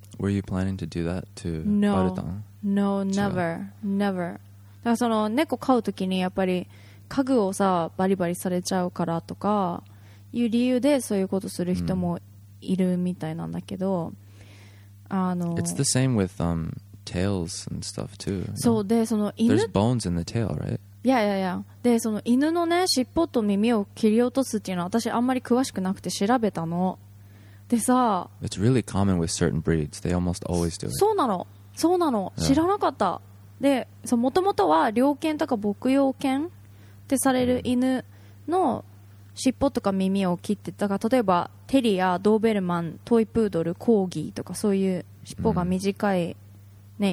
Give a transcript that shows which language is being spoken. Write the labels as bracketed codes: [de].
[en] Were you planning to do that to No, Barutan? No, never, never. [ja] だからその猫飼うときにやっぱり家具をさバリバリされちゃうからとかいう理由でそういうことする人もいるみたいなんだけど、あの、 [en] It's the same with tails and stuff too. [ja] そうでその犬、 [en] There's bones in the tail, right? Yeah, yeah, yeah. [ja] でその犬のね尻尾と耳を切り落とすっていうのは私あんまり詳しくなくて調べたの。でさ、 [en] It's really common with certain breeds. They almost always do it. [ja] そうなの、そうなの。Yeah. 知らなかった。で、そもともとは猟犬とか牧羊犬ってされる犬の尻尾とか耳を切って、だから例えばテリア、ドーベルマン、トイプードル、コーギーとかそういう尻尾が短いね、mm.